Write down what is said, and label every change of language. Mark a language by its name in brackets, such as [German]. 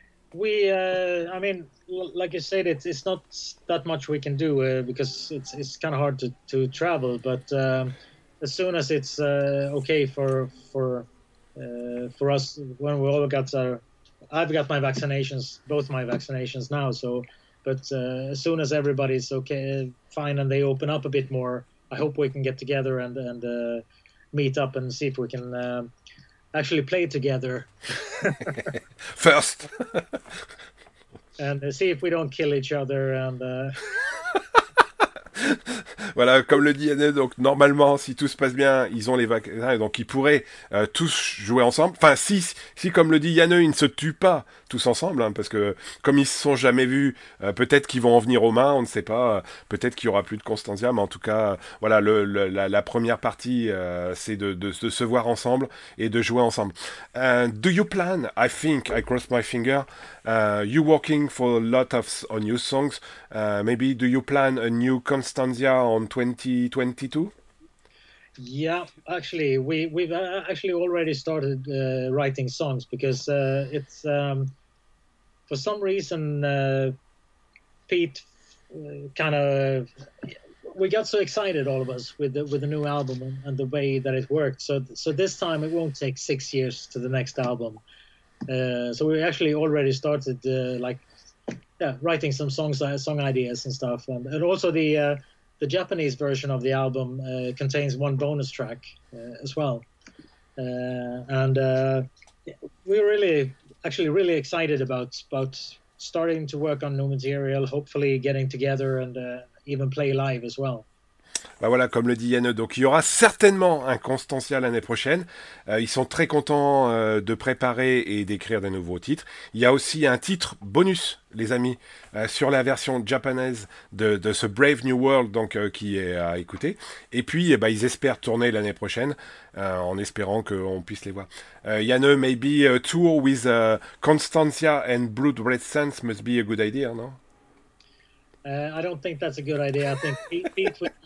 [English] Like you said, it's not that much we can do because it's kind of hard to travel, but as soon as it's okay for us, when we all got our, I've got my vaccinations, both my vaccinations now, so, but as soon as everybody's okay, fine, and they open up a bit more, I hope we can get together and meet up and see if we can actually play together. First. And see if we don't kill each other and... [French] Voilà, comme le dit Yann, donc normalement, si tout se passe bien, ils ont les vaccins, donc ils pourraient tous jouer ensemble. Enfin, si comme le dit Yann, ils ne se tuent pas tous ensemble, hein, parce que comme ils ne se sont jamais vus, peut-être qu'ils vont en venir aux mains, on ne sait pas, peut-être qu'il n'y aura plus de Constanzia, mais en tout cas, voilà, la première partie, c'est de se voir ensemble et de jouer ensemble. [English] Do you plan, I think, I cross my finger, you working for a lot of on new songs, maybe do you plan a new Constanzia on 2022? Yeah, actually we've actually already started writing songs because it's for some reason Pete kind of, we got so excited all of us with the new album and the way that it worked, so this time it won't take 6 years to the next album, so we actually already started writing some song ideas and stuff, and also the Japanese version of the album contains one bonus track as well, and we're really excited about starting to work on new material, hopefully getting together and even play live as well. [French] Bah voilà, comme le dit Yann, donc il y aura certainement un Constanzia l'année prochaine. Ils sont très contents de préparer et d'écrire des nouveaux titres. Il y a aussi un titre bonus, les amis, sur la version japonaise de ce Brave New World, donc qui est à écouter. Et puis, eh bah, ils espèrent tourner l'année prochaine, en espérant qu'on puisse les voir. [English] Yann, maybe a tour with Constanzia and Blood Red Sands must be a good idea, no? I don't think that's a good idea. I think Pete would...